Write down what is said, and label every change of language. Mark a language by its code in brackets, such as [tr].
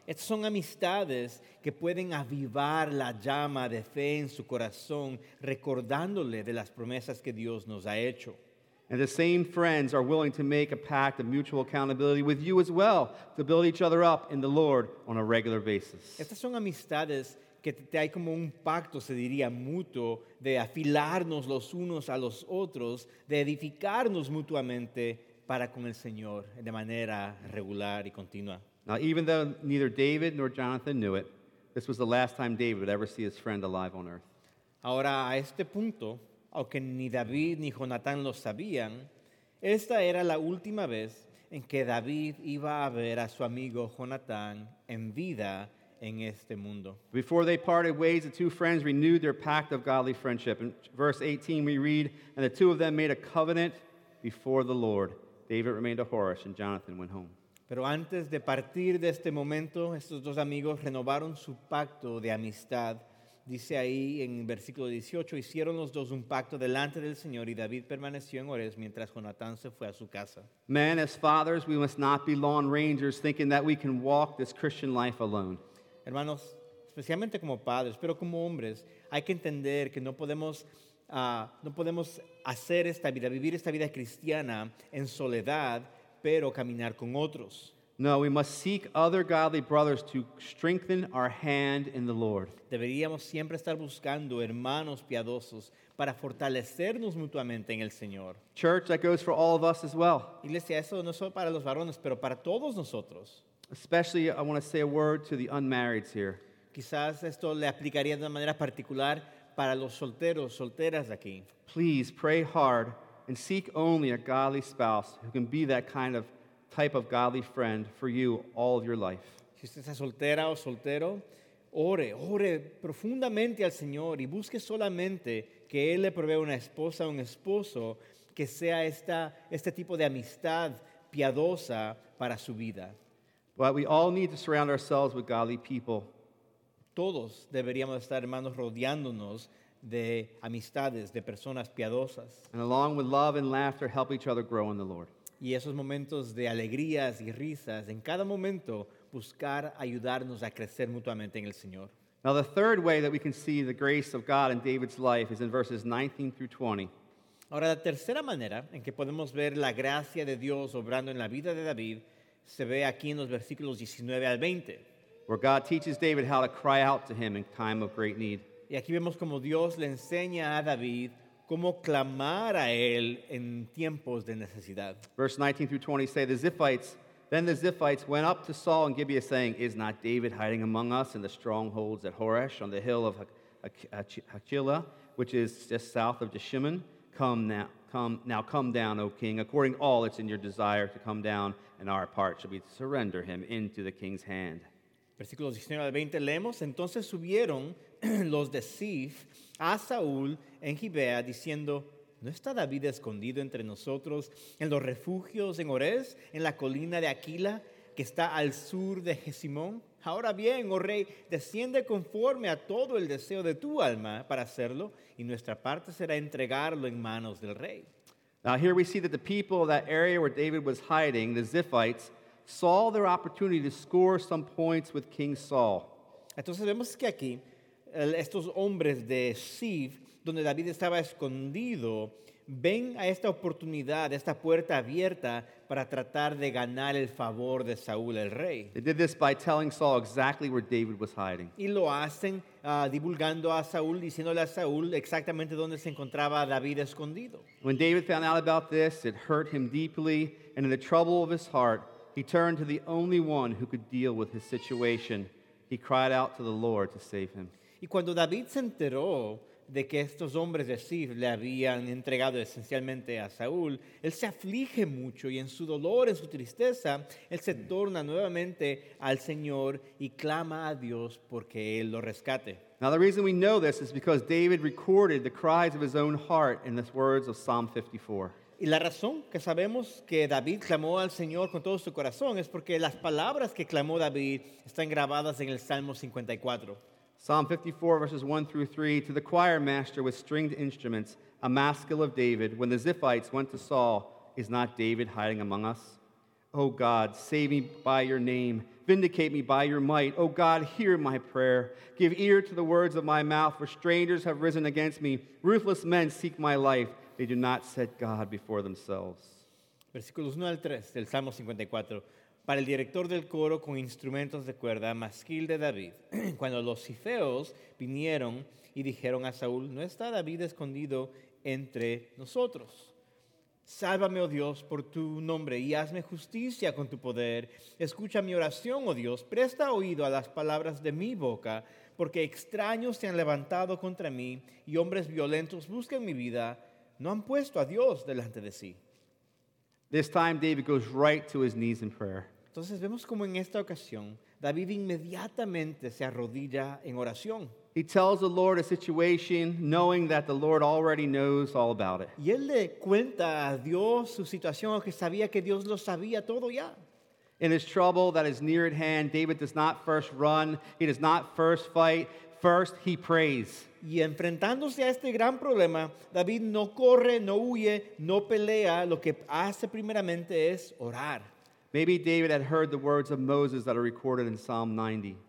[es] Estas son amistades que pueden avivar la llama de fe en su corazón, recordándole de las promesas que Dios nos ha hecho. [en] And the same friends are willing to make a pact of mutual accountability with you as well to build each other up in the Lord on a regular basis. [es] Estas son amistades que te hay como un pacto, se diría, mutuo, de afilarnos los unos a los otros, de edificarnos mutuamente para con el Señor de manera regular y continua. [en] Now, even though neither David nor Jonathan knew it, this was the last time David would ever see his friend alive on earth. [es] Ahora, a este punto, aunque ni David ni Jonatán lo sabían, esta era la última vez en que David iba a ver a su amigo Jonatán en vida en este mundo. [en] Before they parted ways, the two friends renewed their pact of godly friendship. In verse 18 we read, and the two of them made a covenant before the Lord. David remained a Horesh and Jonathan went home. [es] Pero antes de partir de este momento, estos dos amigos renovaron su pacto de amistad. Dice ahí en versículo 18, hicieron los dos un pacto delante del Señor y David permaneció en Horesh mientras Jonatán se fue a su casa. [en] Men, as fathers, we must not be lone rangers thinking that we can walk this Christian life alone. [es] Hermanos, especialmente como padres, pero como hombres, hay que entender que no podemos hacer esta vida, vivir esta vida cristiana en soledad, pero caminar con otros. [en] No, we must seek other godly brothers to strengthen our hand in the Lord. [es] Deberíamos siempre estar buscando hermanos piadosos para fortalecernos mutuamente en el Señor. [en] Church, that goes for all of us as well. [es] Iglesia, eso no solo para los varones, pero para todos nosotros. [en] Especially, I want to say a word to the unmarrieds here. [es] Quizás esto le aplicaría de una manera particular para los solteros, solteras aquí. [en] Please pray hard and seek only a godly spouse who can be that kind of type of godly friend for you all of your life. [es] Si usted está soltera o soltero, ore profundamente al Señor y busque solamente que Él le provea una esposa o un esposo que sea este tipo de amistad piadosa para su vida. [en] But we all need to surround ourselves with godly people. [es] Todos deberíamos estar, hermanos, rodeándonos de amistades, de personas piadosas. [en] And along with love and laughter, help each other grow in the Lord. [es] Y esos momentos de alegrías y risas, en cada momento, buscar ayudarnos a crecer mutuamente en el Señor. [en] Now the third way that we can see the grace of God in David's life is in verses 19 through 20. [es] Ahora, la tercera manera en que podemos ver la gracia de Dios obrando en la vida de David se ve aquí en los versículos 19 al 20. [en] Where God teaches David how to cry out to him in time of great need. [es] Y aquí vemos como Dios le enseña a David cómo clamar a él en tiempos de necesidad. [en] Verse 19 through 20 say, Then the Ziphites went up to Saul in Gibeah, saying, Is not David hiding among us in the strongholds at Horesh on the hill of Hachilah, which is just south of Jeshimon? Come down, O king, according to all that's in your desire to come down, and our part shall be to surrender him into the king's hand. [es] Versículos 19 al 20 leemos, Entonces subieron los de Zif a Saúl en Gibeah, diciendo, ¿No está David escondido entre nosotros en los refugios en Horesh, en la colina de Aquila, que está al sur de Jesimón? Ahora bien, oh rey, desciende conforme a todo el deseo de tu alma para hacerlo, y nuestra parte será entregarlo en manos del rey. [en] Now here we see that the people of that area where David was hiding, the Ziphites, saw their opportunity to score some points with King Saul. [es] Entonces vemos que aquí, estos hombres de Zif, donde David estaba escondido, ven a esta oportunidad, esta puerta abierta, para tratar de ganar el favor de Saúl, el rey. [en] They did this by telling Saul exactly where David was hiding. [es] Y lo hacen divulgando a Saúl, diciéndole a Saúl exactamente dónde se encontraba David escondido. [en] When David found out about this, it hurt him deeply, and in the trouble of his heart, he turned to the only one who could deal with his situation. He cried out to the Lord to save him. [es] Y cuando David se enteró de que estos hombres de Zif le habían entregado esencialmente a Saúl, él se aflige mucho y en su dolor, en su tristeza, él se torna nuevamente al Señor y clama a Dios porque Él lo rescate. [en] Now the reason we know this is because David recorded the cries of his own heart in the words of Psalm 54. [es] Y la razón que sabemos que David clamó al Señor con todo su corazón es porque las palabras que clamó David están grabadas en el Salmo 54. [en] Psalm 54, verses 1 through 3, To the choir master with stringed instruments, a maskil of David, when the Ziphites went to Saul, is not David hiding among us? O God, save me by your name. Vindicate me by your might. O God, hear my prayer. Give ear to the words of my mouth, for strangers have risen against me. Ruthless men seek my life. They do not set God before themselves. [es] Versículos 1 al 3 del Salmo 54. Para el director del coro con instrumentos de cuerda, masquil de David. Cuando los zifeos vinieron y dijeron a Saúl, No está David escondido entre nosotros. Sálvame, oh Dios, por tu nombre y hazme justicia con tu poder. Escucha mi oración, oh Dios. Presta oído a las palabras de mi boca, porque extraños se han levantado contra mí y hombres violentos buscan mi vida. No han puesto a Dios delante de sí. [en] This time David goes right to his knees in prayer. [es] Entonces vemos como en esta ocasión David inmediatamente se arrodilla en oración. [en] He tells the Lord a situation knowing that the Lord already knows all about it. [es] Y él le cuenta a Dios su situación aunque sabía que Dios lo sabía todo ya. [en] In his trouble that is near at hand, David does not first run, he does not first fight, first he prays. [es] Y enfrentándose a este gran problema, David no corre, no huye, no pelea. Lo que hace primeramente es orar. [en] Maybe David had heard the words of Moses that are recorded in Psalm 90.